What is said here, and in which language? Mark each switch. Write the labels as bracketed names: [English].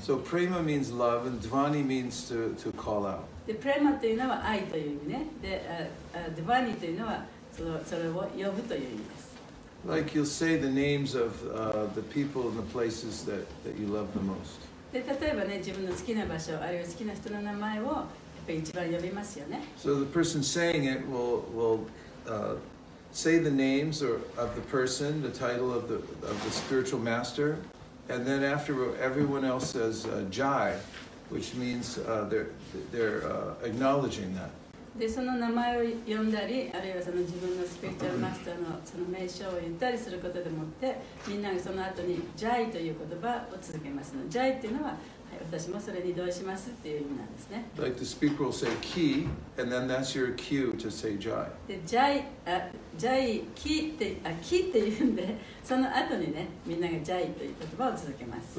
[English] So Prema means love and Dvani means to call out. [Japanese] Prema というのは愛という意味ね。Dvani というのはそれを呼ぶという意味です。 [English] Like you'll say the names of the people and the places that you love the most. [Japanese] で、例えばね、自分の好きな場所、あるいは好きな人の名前をやっぱり一番呼びますよね。 [English] So the person saying it will say the names or of the person, the title of the spiritual master, and then after everyone else says Jai, which means they're acknowledging that. [Japanese] でその名前を呼んだりあるいはその自分のスピリチュアルマスターのその名称を言ったりすることでもってみんながその後にジャイという言葉を続けますのジャイというのは、はい、私もそれに同意しますという意味なんですね。 [English] Like the speaker will say ki and then that's your cue to say jai. [Japanese] でジャイ、ki って言うんでその後にねみんながジャイという言葉を続けます。